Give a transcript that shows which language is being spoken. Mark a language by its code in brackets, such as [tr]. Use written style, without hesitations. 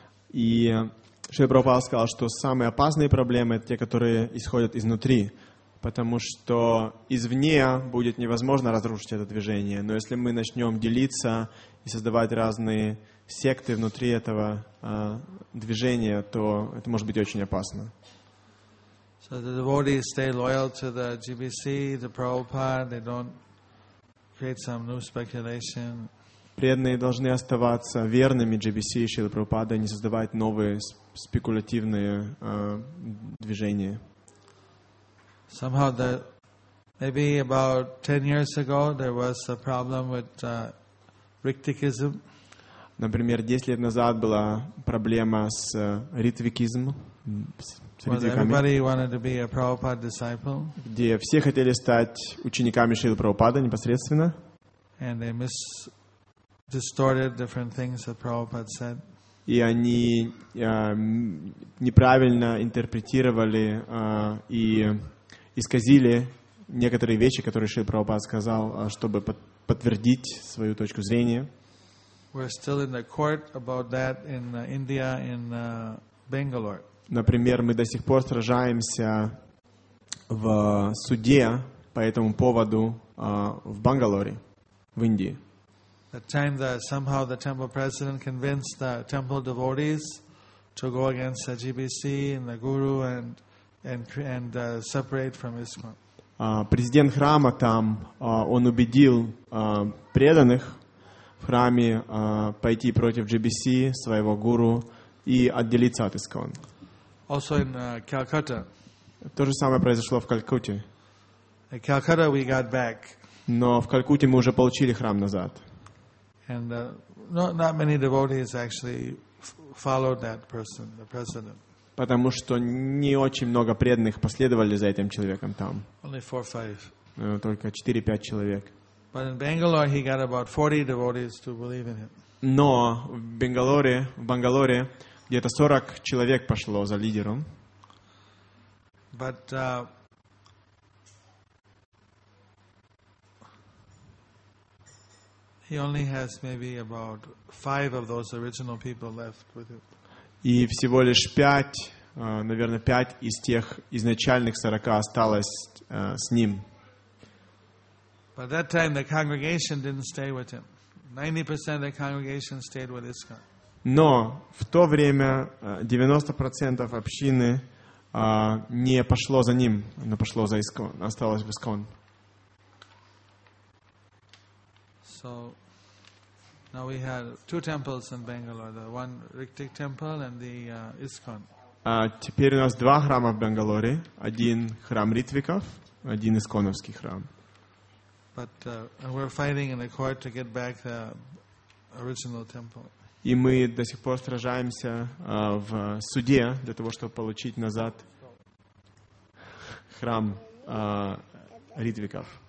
[ru] И Шрила Прабхупада сказал, что самые опасные проблемы — это те, которые исходят изнутри, потому что извне будет невозможно разрушить это движение, но если мы начнем делиться и создавать разные секты внутри этого движения, то это может быть очень опасно. [en] So the devotees stay loyal to the GBC, the Prabhupada, they don't create some new speculation. [ru] Преданные должны оставаться верными GBC и Шрилы Прабхупады, не создавать новые спекулятивные движения. [en] Somehow the maybe about 10 years ago there was a problem with Ritvikism. [ru] Например, 10 лет назад была проблема с ритвикизмом. [en] Everybody wanted to be a Prabhupada disciple. [ru] Где все хотели стать учениками Шрилы Прабхупады непосредственно. [en] And they distorted different things that Prabhupada said. [ru] И они неправильно интерпретировали и исказили некоторые вещи, которые Шрила Прабхупада сказал, чтобы подтвердить свою точку зрения. [en] We're still in the court about that in India, in Bangalore. [ru] Например, мы до сих пор сражаемся в суде по этому поводу в Бангалоре, в Индии. [en] The time that somehow the temple president convinced the temple devotees to go against the GBC and the guru and separate from ISKCON. [ru] Президент храма там, он убедил преданных в храме пойти против GBC, своего гуру, и отделиться от ISKCON. [en] Also in Calcutta. [ru] То же самое произошло в Калькутте. [en] In Calcutta we got back. [ru] Но в Калькутте мы уже получили храм назад. [en] And not many devotees actually followed that person, the president. [ru] Потому что не очень много преданных последовали за этим человеком там. [en] Only 4-5. [ru] Только 4-5 человек. [en] But in Bangalore he got about 40 devotees to believe in him. [ru] Но в Бангалоре где-то 40 человек пошло за лидером. [en] But he only has maybe about 5 of those original people left with him. [ru] И всего лишь 5 из тех изначальных 40 осталось с ним. [en] But that time the congregation didn't stay with him. 90% of the congregation stayed with ISKCON. [ru] Но в то время 90% общины не пошло за ним, но пошло за ISKCON, осталось в ISKCON. [en] So Now we had two temples in Bangalore, the one Riktik temple and the ISKCON. [ru] Теперь у нас два храма в Бангалоре. Один храм Ритвиков, один Исконовский храм. [en] But we're fighting in the court to get back the original temple. [ru] И мы до сих пор сражаемся в суде для того, чтобы получить назад храм Ритвиков.